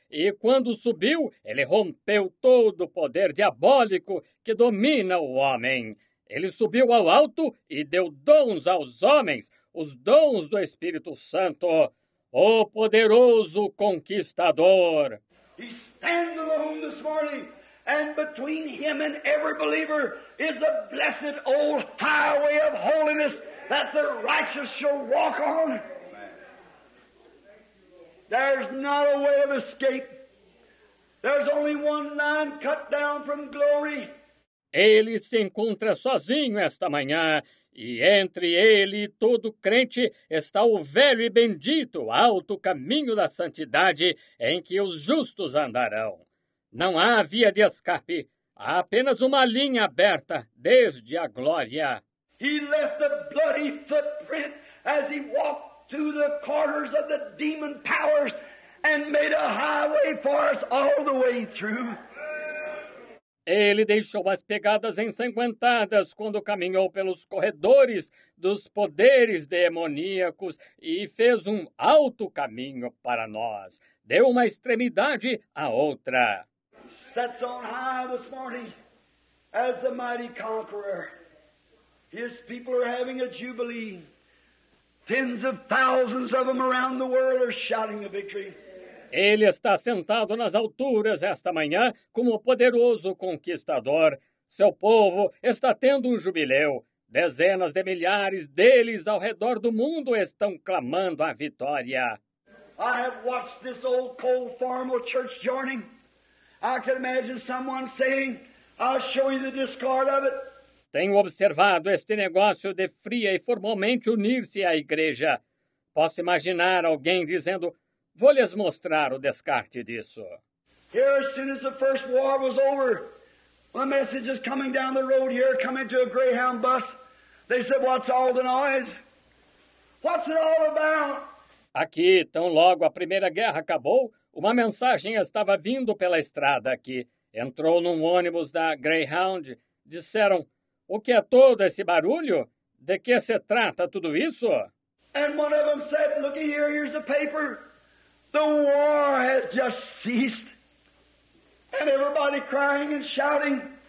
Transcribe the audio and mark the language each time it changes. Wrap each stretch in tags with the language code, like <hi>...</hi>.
<pt>E quando subiu, ele rompeu todo o poder diabólico que domina o homem. Ele subiu ao alto e deu dons aos homens, os dons do Espírito Santo, o poderoso conquistador.</pt> <en>He stands alone this morning, and between him and every believer is a blessed old highway of holiness that the righteous shall walk on. There's not a way of escape. There's only one line cut down from glory.</en> <pt>Ele se encontra sozinho esta manhã, e entre ele e todo crente está o velho e bendito alto caminho da santidade em que os justos andarão. Não há via de escape, há apenas uma linha aberta desde a glória.</pt> <en>He left a bloody footprint as he walked through the corners of the demon powers and made a highway for us all the way through.</en> <pt>Ele deixou as pegadas ensanguentadas quando caminhou pelos corredores dos poderes demoníacos e fez um alto caminho para nós. Deu uma extremidade à outra.</pt> <en>Sets on high this morning as the mighty conqueror. His people are having a jubilee. Tens of thousands of them around the world are shouting the victory.</en> <pt>Ele está sentado nas alturas esta manhã como poderoso conquistador. Seu povo está tendo um jubileu. Dezenas de milhares deles ao redor do mundo estão clamando a vitória.</pt> <en>I have watched this old cold formal church joining. I can imagine someone saying, I'll show you the discard of it.</en> <pt>Tenho observado este negócio de fria e formalmente unir-se à igreja. Posso imaginar alguém dizendo, vou lhes mostrar o descarte disso.</pt> <en>Here, as soon as the first war was over, a message is coming down the road here, coming to a Greyhound bus. They said, what's all the noise? What's it all about?</en> <pt>Aqui, tão logo a Primeira Guerra acabou, uma mensagem estava vindo pela estrada aqui. Entrou num ônibus da Greyhound, disseram, o que é todo esse barulho? De que se trata tudo isso?</pt> <en>And one of them said, look here, here's the paper. The war has just ceased. And everybody crying and shouting.</en>